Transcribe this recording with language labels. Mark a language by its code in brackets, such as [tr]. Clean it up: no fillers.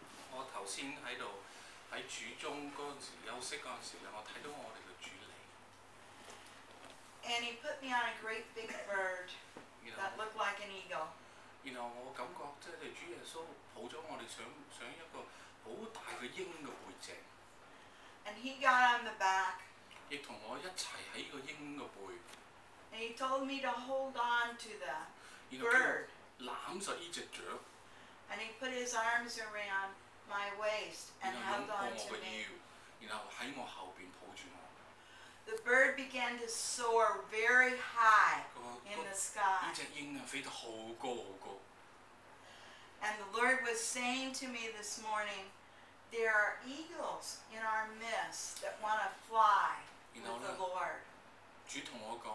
[zh] 我頭先喺度喺主中嗰陣時休息嗰陣時咧，我睇到我哋嘅主嚟。 [en] And he put me on a great big bird that looked like an eagle. [zh] 然後我感覺即係主耶穌抱咗我哋上一個好大嘅鷹嘅背脊。 [en] And he got on the back. [zh] 亦同我一齊喺個鷹嘅背。 [en] And he told me to hold on to the bird. [zh] 攬實呢只雀。 [en] And he put his arms around my waist and held on to me. [zh] 然後喺我後邊抱住我。 [en] The bird began to soar very high in the sky. [zh] 呢只鷹啊，飛得好高好高。 [en] And the Lord was saying to me this morning, there are eagles in our midst that want to fly with the Lord.